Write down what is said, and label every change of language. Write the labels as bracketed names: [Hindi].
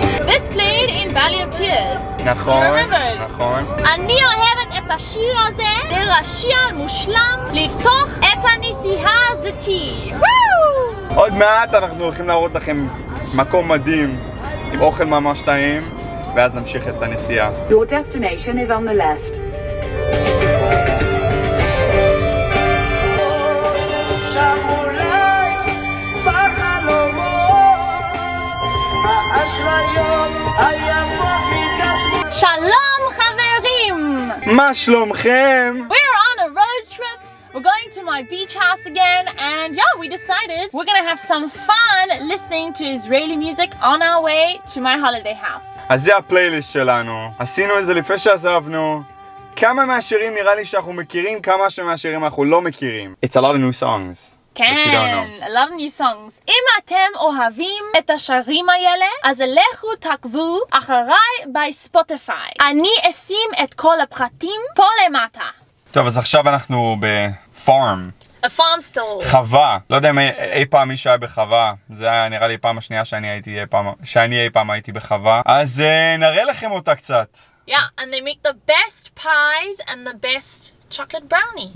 [English] This played in Valley of Tears. [Hebrew] נכון, נכון. אני אוהבת את השיר הזה, זה לשיר מושלם, לפתוח את הנסיעה הזאת. עוד מעט אנחנו הולכים להראות לכם מקום מדהים, עם אוכל ממש טעים, ואז נמשיך את הנסיעה. [English] Your destination is on the left. [Hebrew] שלום חברים! מה שלומכם? [English] We're on a road trip. We're going to my beach house again. And yeah, we decided we're gonna have some fun listening to Israeli music on our way to my holiday house. [Hebrew] אז זה הפלייליסט שלנו. עשינו את זה לפני שעזבנו. כמה מהשירים נראה לי שאנחנו מכירים, כמה שמהשירים אנחנו לא מכירים. [English] It's a lot of new songs. [Hebrew] כן, [English] a lot of new songs. [Hebrew] אם אתם אוהבים את השירים האלה, אז לכו תעקבו אחריי בספוטיפיי. אני אשים את כל הפרטים פה למטה. טוב, אז עכשיו אנחנו בפארם. [English] A farm store. [Hebrew] חווה. לא יודע אם אי פעם מישהו היה בחווה. זה היה נראה לי פעם השנייה שאני אי פעם הייתי בחווה. אז נראה לכם אותה קצת. [English] Yeah, and they make the best pies and the best chocolate brownie.